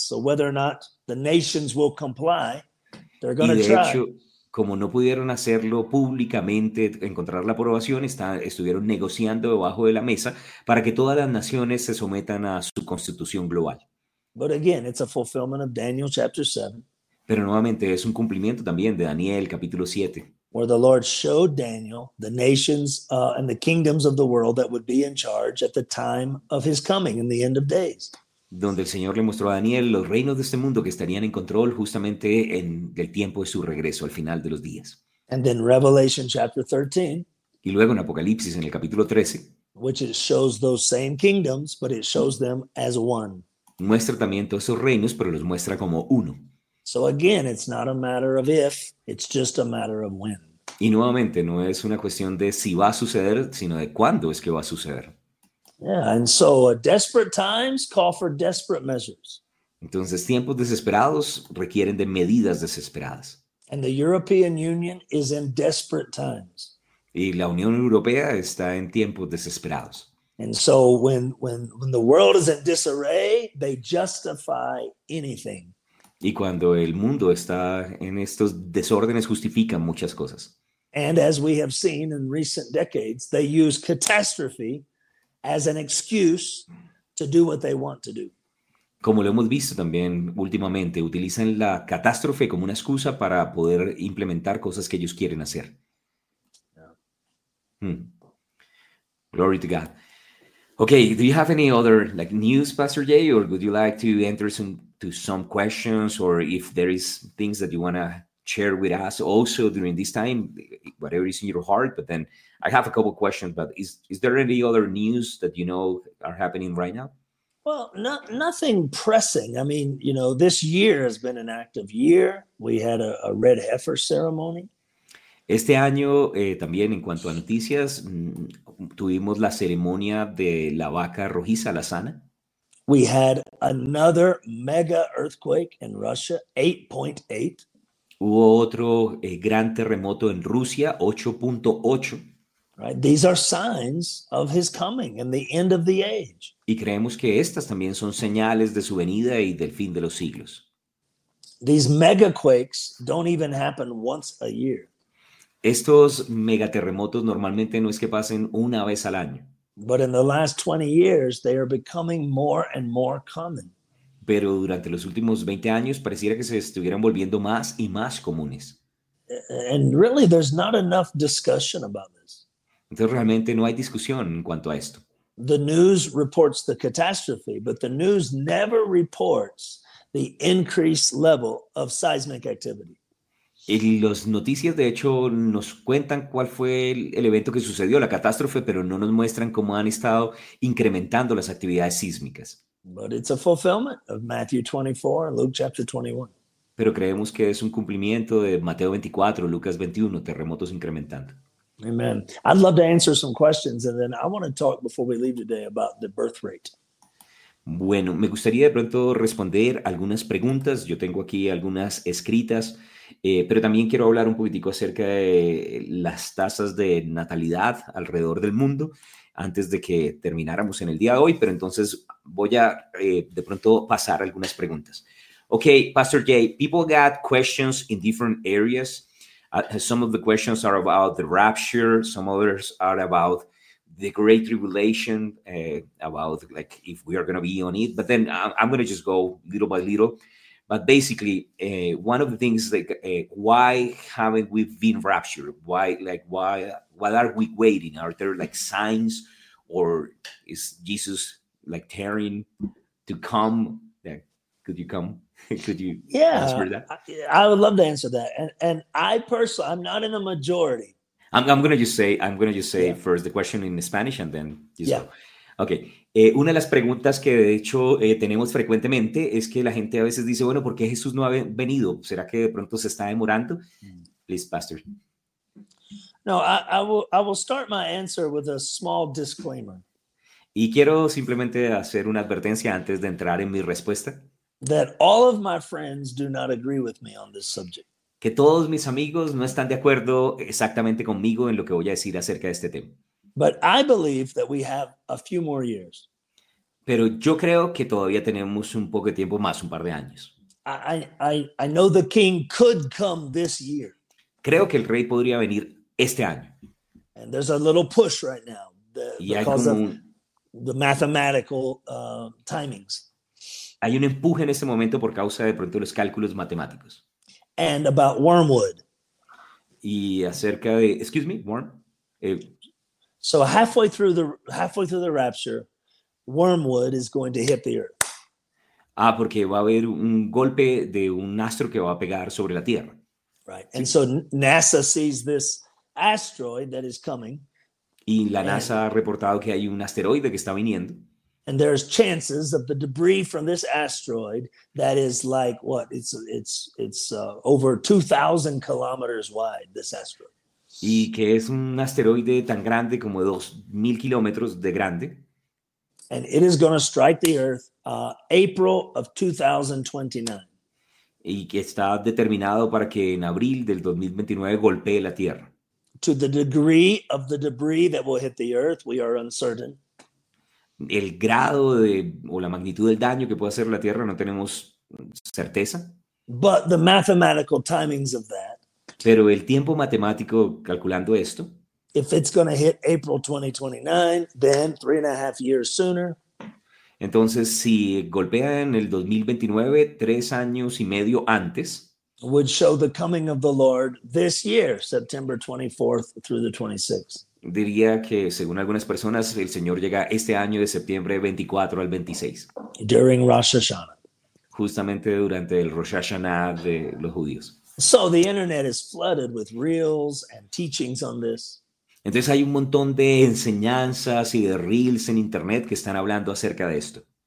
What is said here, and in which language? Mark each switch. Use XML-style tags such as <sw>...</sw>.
<en>So whether or not the nations will comply, they're going to try.</en> <es>Y de hecho, como no pudieron hacerlo públicamente, encontrar la aprobación, estuvieron negociando debajo de la mesa para que todas las naciones se sometan a su constitución global.</es> <en>But again, it's a fulfillment of Daniel chapter 7.</en> <es>Pero nuevamente, es un cumplimiento también de Daniel capítulo 7.</es> <en>Where the Lord showed Daniel the nations and the kingdoms of the world that would be in charge at the time of his coming in the end of days.</en> <es>Donde el Señor le mostró a Daniel los reinos de este mundo que estarían en control justamente en el tiempo de su regreso, al final de los días.</es> <en>And then Revelation chapter 13.</en> <es>Y luego en Apocalipsis, en el capítulo 13.</es> <en>Which it shows those same kingdoms, but it shows them as one.</en> <es>Muestra también todos esos reinos, pero los muestra como uno.</es> <en>So again, it's not a matter of if, it's just a matter of when.</en> <es>Y nuevamente, no es una cuestión de si va a suceder, sino de cuándo es que va a suceder.</es> <en>Yeah, and so desperate times call for desperate measures.</en> <es>Entonces, tiempos desesperados requieren de medidas desesperadas.</es> <en>And the European Union is in desperate times.</en> <es>Y la Unión Europea está en tiempos desesperados.</es> <en>And so when the world is in disarray, they justify anything.</en> <es>Y cuando el mundo está en estos desórdenes, justifican muchas cosas.</es> <en>And as we have seen in recent decades, they use catastrophe as an excuse to do what they want to do.</en> <es>Como lo hemos visto también últimamente, utilizan la catástrofe como una excusa para poder implementar cosas que ellos quieren hacer.</es> <en>Yeah. Glory to God. Okay, do you have any other like news, Pastor Jay, or would you like to enter some to some questions or if there is things that you want to share with us also during this time, whatever is in your heart. But then I have a couple of questions, but is there any other news that you know are happening right now? Well, nothing pressing. I mean, you know, this year has been an active year. We had a red heifer ceremony.</en> <es>Este año, también en cuanto a noticias, tuvimos la ceremonia de la vaca rojiza, la sana.</es> <en>We had another mega earthquake in Russia, 8.8.</en> <es>Hubo otro gran terremoto en Rusia, 8.8.</es> <en>Right. These are signs of his coming and the end of the age.</en> <es>Y creemos que estas también son señales de su venida y del fin de los siglos.</es> <en>These mega quakes don't even happen once a year.</en> <es>Estos megaterremotos normalmente no es que pasen una vez al año.</es> <en>But in the last 20 years, they are becoming more and more common.</en> <es>Pero durante los últimos 20 años pareciera que se estuvieran volviendo más y más comunes.</es> <en>And really, there's not enough discussion about this.</en> <es>Entonces realmente no hay discusión en cuanto a esto.</es> <en>The news reports the catastrophe, but the news never reports the increased level of seismic activity.</en> <es>Y las noticias de hecho nos cuentan cuál fue el evento que sucedió, la catástrofe, pero no nos muestran cómo han estado incrementando las actividades sísmicas.</es> <en>But it's a fulfillment of Matthew 24 and Luke chapter 21.</en> <es>Pero creemos que es un cumplimiento de Mateo 24, Lucas 21, terremotos incrementando.</es> <en>Amen. I'd love to answer some questions, and then I want to talk before we leave today about the birth rate.</en> <es>Bueno, me gustaría de pronto responder algunas preguntas. Yo tengo aquí algunas escritas, pero también quiero hablar un poquitico acerca de las tasas de natalidad alrededor del mundo antes de que termináramos en el día de hoy, pero entonces voy a de pronto pasar algunas preguntas.</es> <en>Okay, Pastor Jay, people got questions in different areas. Some of the questions are about the rapture. Some others are about the great tribulation, about like if we are going to be on it. But then I'm going to just go little by little. But basically, one of the things like why haven't we been raptured? Why are we waiting? Are there like signs, or is Jesus like tearing to come? Yeah. Could you come? Could you answer that? I would love to answer that. And I personally, I'm not in the majority. I'm going to just say yeah. First the question in Spanish and then just yeah. Okay.</en> <es>Una de las preguntas que de hecho tenemos frecuentemente es que la gente a veces dice, bueno, ¿por qué Jesús no ha venido? ¿Será que de pronto se está demorando?</es> <en>Please, Pastor. No, I will start my answer with a small disclaimer.</en> <es>Y quiero simplemente hacer una advertencia antes de entrar en mi respuesta.</es> <en>That all of my friends do not agree with me on this subject.</en> <es>Que todos mis amigos no están de acuerdo exactamente conmigo en lo que voy a decir acerca de este tema.</es> <en>But I believe that we have a few more years.</en> <es>Pero yo creo que todavía tenemos un poco de tiempo más, un par de años.</es> <en>I know the king could come this year.</en> <es>Creo que el rey podría venir este año.</es> <en>And there's a little push right now because of the mathematical timings.</en> <es>Hay un empuje en este momento por causa de pronto los cálculos matemáticos.</es> <en>And about wormwood.</en> <es>Y acerca de,</es> <en>excuse me,</en> <es>worm.</es> <en>So halfway through the rapture, wormwood is going to hit the earth.</en> <es>Ah, porque va a haber un golpe de un astro que va a pegar sobre la Tierra.</es> <en>Right. And so NASA sees this asteroid that is coming.</en> <es>Y la NASA ha reportado que hay un asteroide que está viniendo.</es> <en>And there's chances of the debris from this asteroid that is like what? It's over 2,000 kilometers wide, this asteroid.</en> <es>Y que es un asteroide tan grande como 2,000 kilómetros de grande.</es> <en>And it is going to strike the Earth April of 2029.</en> <es>Y que está determinado para que en abril del 2029 golpee la Tierra.</es> <en>To the degree of the debris that will hit the Earth, we are uncertain.</en> <es>El grado de, o la magnitud del daño que puede hacer la Tierra, no tenemos certeza.</es> <en>But the mathematical timings of that,</en> <es>pero el tiempo matemático calculando esto,</es> <en>if it's going to hit April 2029, then 3.5 years sooner.</en> <es>Entonces, si golpea en el 2029, 3 años y medio antes,</es> <en>would show the coming of the Lord this year, September 24th through the 26th.</en> <es>Diría que, según algunas personas, el Señor llega este año de septiembre 24 al 26.</es> <en>During Rosh Hashanah.</en> <es>justamente durante el Rosh Hashanah de los judíos.</es> <en>So the internet is flooded with reels and teachings on this.</en> <es>Entonces hay un montón de enseñanzas y de reels en internet que están hablando acerca de esto.</es>